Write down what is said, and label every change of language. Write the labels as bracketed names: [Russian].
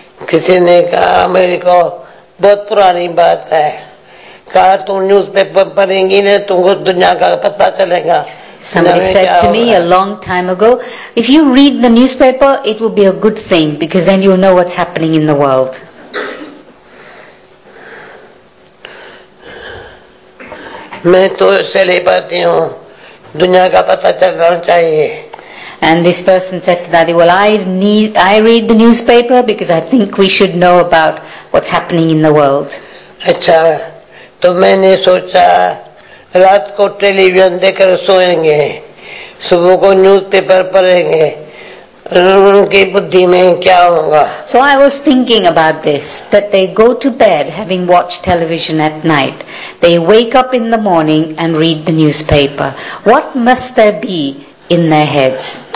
[Hindi] किसी ने कहा मेरे को बहुत पुरानी बात है, कहा तुम न्यूज़पेपर पढ़ेंगी ना तुमको दुनिया का पता चलेगा। [English] Somebody said to me a long time ago, if you read the newspaper, it will be a good thing because then you'll know what's happening in the world. [Hindi] मैं तो चले पाती हूँ, दुनिया का पता चलना चाहिए। [English] And this person said to Daddy, well, I read the newspaper because I think we should know about what's happening in the world. [Hindi] अच्छा, तो मैंने सोचा रात को टेलीविजन देखकर सोएंगे, सुबह को न्यूज़पेपर पढ़ेंगे, उनकी बुद्धि में क्या होगा? [English] So I was thinking about this, that they go to bed having watched television at night, they wake up in the morning and read the newspaper. What must there be in their heads?